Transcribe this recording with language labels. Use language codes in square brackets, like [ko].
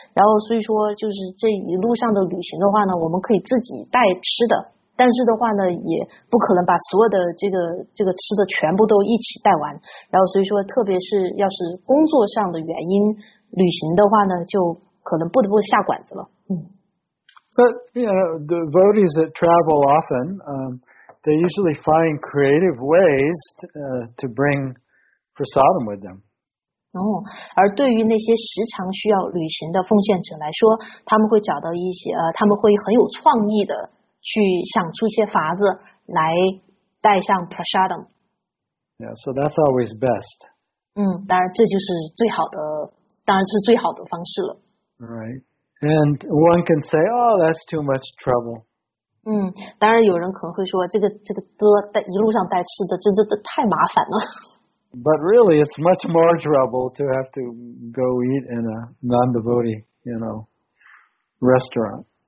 [zh] 然后所以说就是这一路上的旅行的话呢，我们可以自己带吃的，但是的话呢，也不可能把所有的这个吃的全部都一起带完。然后所以说，特别是要是工作上的原因旅行的话呢，就可能不得不下馆子了。 [en] But you know, the devotees that travel often, they usually find creative ways to bring prasadam with them. [zh] 而对于那些时常需要旅行的奉献者来说，他们会找到一些他们会很有创意的。去想出一些法子来带上 prasadam. [en] Yeah, so that's always best. [zh] 当然这就是最好的，当然是最好的方式了。 [en] Right, and one can say, "Oh, that's too much trouble." [zh] 当然有人可能会说，这个带一路上带吃的，真的太麻烦了。 [en] But really, it's much more trouble to have to go eat in a non-devotee, restaurant.